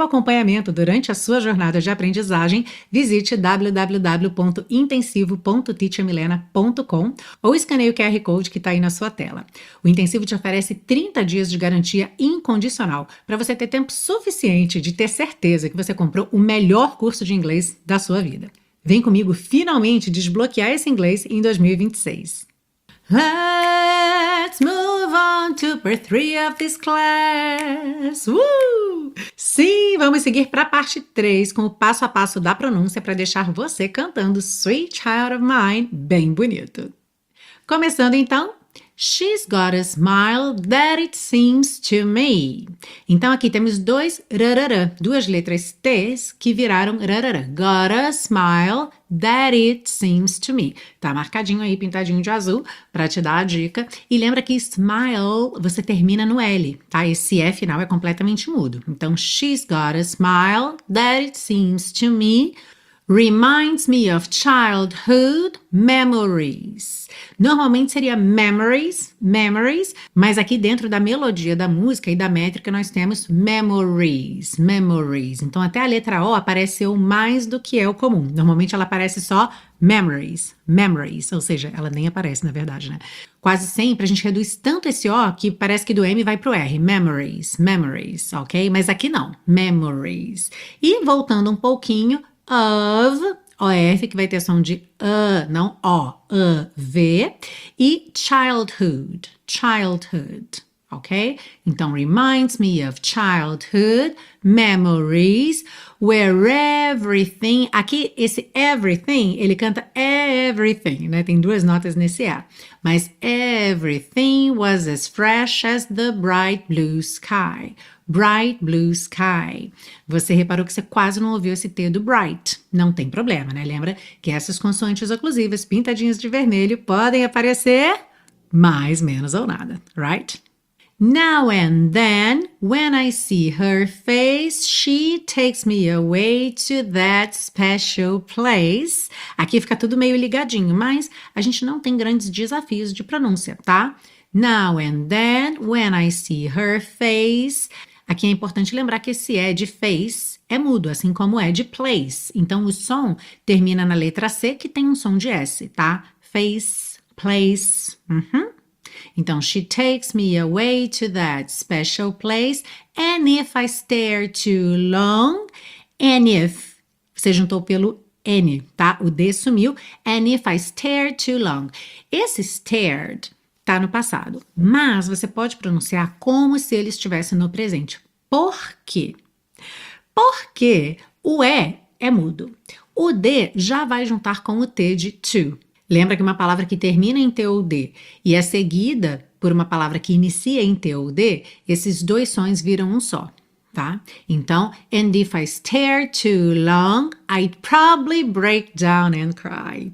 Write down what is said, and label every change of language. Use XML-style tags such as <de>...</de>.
<pt>seu acompanhamento durante a sua jornada de aprendizagem, visite www.intensivo.teachermilena.com ou escaneie o QR Code que está aí na sua tela. O Intensivo te oferece 30 dias de garantia incondicional para você ter tempo suficiente de ter certeza que você comprou o melhor curso de inglês da sua vida. Vem comigo finalmente desbloquear esse inglês em 2026.</pt> <en>Let's move on to part 3 of this class.</en> <pt>Sim, vamos seguir para a parte 3 com o passo a passo da pronúncia para deixar você cantando Sweet Child of Mine bem bonito. Começando então.</pt> <en>She's got a smile that it seems to me.</en> <pt>Então aqui temos dois rarara, duas letras T's que viraram rarara.</pt> <en>Got a smile that it seems to me.</en> <pt>Tá marcadinho aí, pintadinho de azul, pra te dar a dica. E lembra que smile você termina no L, tá? Esse F final é completamente mudo.</pt> <en>Então, she's got a smile that it seems to me. Reminds me of childhood memories.</en> <pt>Normalmente seria memories, mas aqui dentro da melodia da música e da métrica nós temos memories. Então até a letra O apareceu mais do que é o comum. Normalmente ela aparece só memories, ou seja, ela nem aparece na verdade, né? Quase sempre a gente reduz tanto esse O que parece que do M vai pro R. Memories, ok? Mas aqui não, memories. E voltando um pouquinho, of, O-F, que vai ter som de não O, V, e childhood, ok?</pt> <en>Então, reminds me of childhood, memories, where everything,</en> <pt>aqui esse</pt> <en>everything,</en> <pt>ele canta</pt> <en>everything, né?</en> <pt>Tem duas notas nesse A, mas</pt> <en>everything was as fresh as the bright blue sky. Bright blue sky.</en> <pt>Você reparou que você quase não ouviu esse T do bright. Não tem problema, né? Lembra que essas consoantes oclusivas pintadinhas de vermelho podem aparecer mais, menos ou nada, right?</pt> <en>Now and then, when I see her face, she takes me away to that special place.</en> <pt>Aqui fica tudo meio ligadinho, mas a gente não tem grandes desafios de pronúncia, tá?</pt> <en>Now and then, when I see her face...</en> <pt>Aqui é importante lembrar que esse é de face é mudo, assim como é de place. Então, o som termina na letra C, que tem um som de S, tá?</pt> <en>Face, place. Uhum. Então, she takes me away to that special place. And if I stare too long, and if...</en> <pt>Você juntou pelo N, tá? O D sumiu.</pt> <en>And if I stare too long.</en> <pt>Esse stared... Tá no passado, mas você pode pronunciar como se ele estivesse no presente. Por quê? Porque o E é mudo. O D já vai juntar com o T de to. Lembra que uma palavra que termina em T ou D e é seguida por uma palavra que inicia em T ou D, esses dois sons viram um só, tá?</pt> <en>Então, and if I stare too long, I'd probably break down and cry.</en>